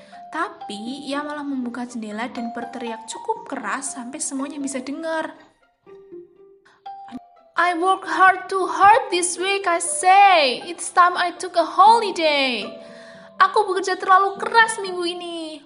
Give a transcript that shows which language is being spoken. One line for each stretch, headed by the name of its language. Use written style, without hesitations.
Indonesian: Tapi, ia malah membuka jendela dan berteriak cukup keras sampai semuanya bisa dengar.
English: I work hard too hard this week, I say. It's time I took a holiday.
Indonesian: Aku bekerja terlalu keras minggu ini.